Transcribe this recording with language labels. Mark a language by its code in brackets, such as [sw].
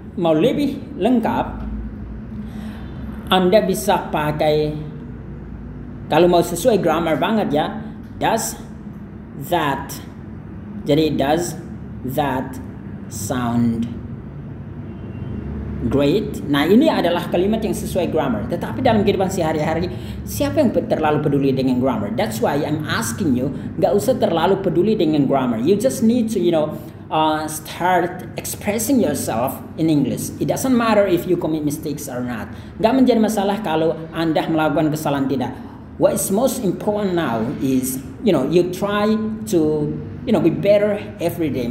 [id] mau lebih lengkap, Anda bisa pakai, kalau mau sesuai grammar banget ya, does that. [en] Jadi does that sound great? [id] Nah, ini adalah kalimat yang sesuai grammar. Tetapi dalam kehidupan sehari-hari, siapa yang terlalu peduli dengan grammar? [en] That's why I'm asking you, gak usah terlalu peduli dengan grammar. You just need to, you know, start expressing yourself in English. It doesn't matter if you commit mistakes or not. [id] Gak menjadi masalah kalau Anda melakukan kesalahan tidak. [en] What is most important now is, you know, you try to, you know, be better every day.